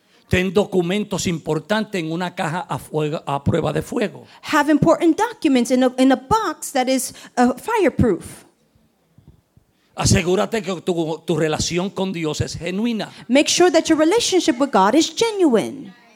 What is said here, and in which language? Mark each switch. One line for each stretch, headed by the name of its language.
Spanish: Ten documentos importantes en una caja a, fuego, a prueba de fuego.
English: Have important documents in a box that is fireproof.
Spanish: Asegúrate que tu relación con Dios es genuina.
English: Make sure that your relationship with God is genuine.